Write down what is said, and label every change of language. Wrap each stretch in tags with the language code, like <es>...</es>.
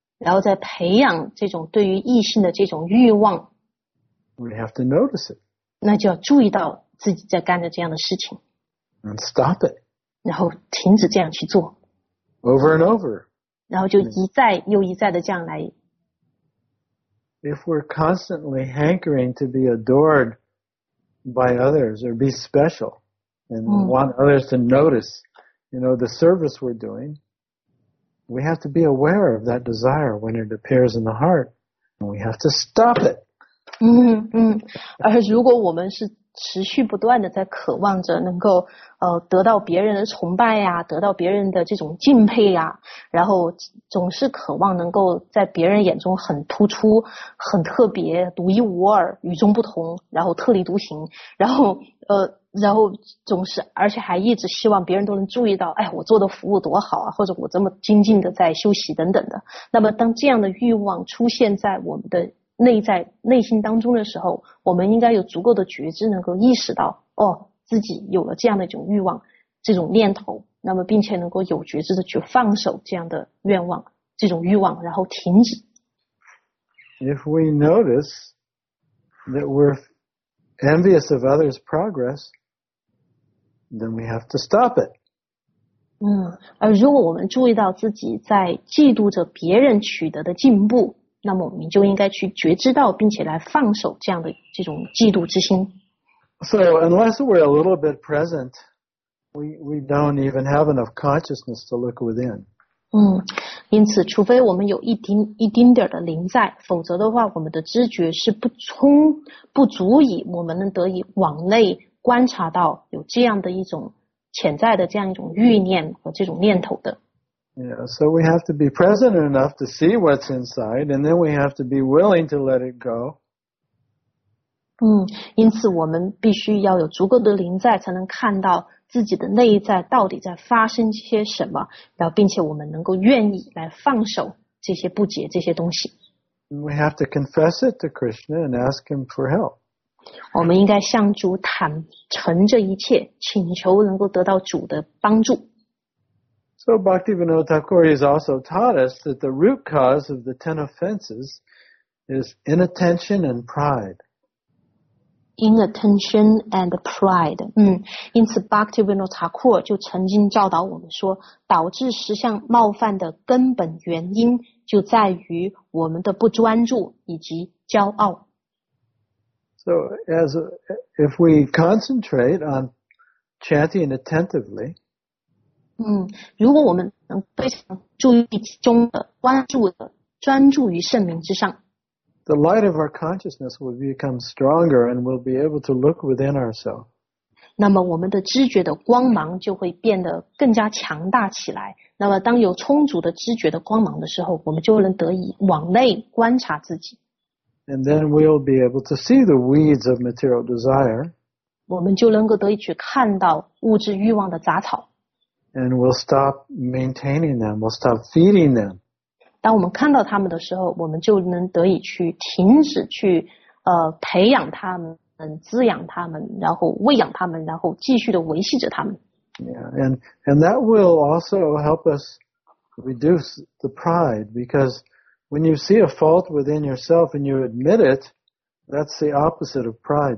<zh>然后再培养这种对于异性的这种欲望</zh> <en>we have to notice it.</en> <zh>那就要注意到自己在干着这样的事情</zh> <en>and stop it.</en> <zh>然后停止这样去做</zh> <en>over and over.</en> <zh>然后就一再又一再的这样来</zh> <en>If we're constantly hankering to be adored by others or be special and want others to notice, you know, the service we're doing, we have to be aware of that desire when it appears in the heart and we have to stop it.</en> <zh>而如果我们是持续不断的在渴望着能够得到别人的崇拜呀，得到别人的这种敬佩呀，然后总是渴望能够在别人眼中很突出、很特别、独一无二、与众不同，然后特立独行，然后总是而且还一直希望别人都能注意到，哎，我做的服务多好啊，或者我这么精进的在休息等等的。那么当这样的欲望出现在我们的内在内心当中的时候，我们应该有足够的觉知，能够意识到哦，自己有了这样的一种欲望、这种念头，那么并且能够有觉知的去放手这样的愿望、这种欲望，然后停止。</zh> <en>If we notice that we're envious of others' progress, then we have to stop it.</en> <zh>而如果我们注意到自己在嫉妒着别人取得的进步。那么我们就应该去觉知到并且来放手这样的这种嫉妒之心。</zh> <en>So unless we're a little bit present, we don't even have enough consciousness to look within.</en> <zh>因此除非我们有一丁点的灵在，否则的话我们的知觉是不足以我们能得以往内观察到有这样的一种潜在的这样一种欲念和这种念头的。</zh> <en>Yeah, so we have to be present enough to see what's inside, and then we have to be willing to let it go.</en> <zh>因此我们必须要有足够的灵在，才能看到自己的内在到底在发生些什么，然后并且我们能够愿意来放手这些不洁这些东西。</zh> <en>We have to confess it to Krishna and ask him for help.</en> <zh>我们应该向主坦诚这一切，请求能够得到主的帮助。</zh> <en>So Bhaktivinoda Thakur has also taught us that the root cause of the 10 offenses is inattention and pride. Inattention and pride.</en> <zh>因此 Bhaktivinoda Thakur 就曾经教导我们说，导致十相冒犯的根本原因就在于我们的不专注以及骄傲。</zh> <en>So if we concentrate on chanting attentively,</en> <zh>如果我们能非常注意其中的关注的专注于圣名之上</zh> <en>The light of our consciousness will become stronger and we'll be able to look within ourselves.</en> <zh>那么我们的知觉的光芒就会变得更加强大起来。那么当有充足的知觉的光芒的时候，我们就能得以往内观察自己。</zh> <en>And then we'll be able to see the weeds of material desire.</en> <zh>我们就能够得以去看到物质欲望的杂草。</zh> <en>And we'll stop maintaining them. We'll stop feeding them.</en> <zh>当我们看到他们的时候，我们就能得以去停止去培养他们，滋养他们，然后喂养他们，然后继续的维系着他们。</zh> <en>Yeah, and that will also help us reduce the pride because when you see a fault within yourself and you admit it, that's the opposite of pride.</en>